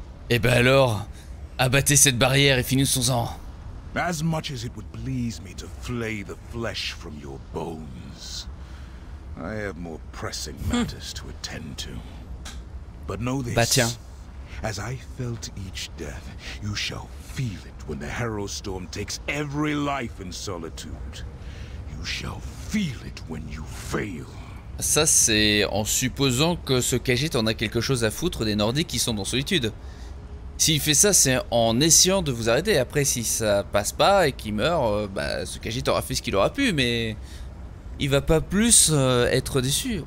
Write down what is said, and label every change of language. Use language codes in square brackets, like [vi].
[fr] Et ben alors, abattez cette barrière et finissons-en. [en] As much as it would please me to flay the flesh from your bones, I have more pressing matters to attend to. But know this. [fr] Bah tiens. [en] As I felt each death, you shall feel it when the Harrow Storm takes every life in solitude. You shall feel it when you fail. [fr] Ça, c'est en supposant que ce Khajiit en a quelque chose à foutre des Nordiques qui sont dans solitude. S'il fait ça, c'est en essayant de vous arrêter. Après, si ça passe pas et qu'il meurt, ce Khajiit aura fait ce qu'il aura pu, mais il va pas plus être déçu.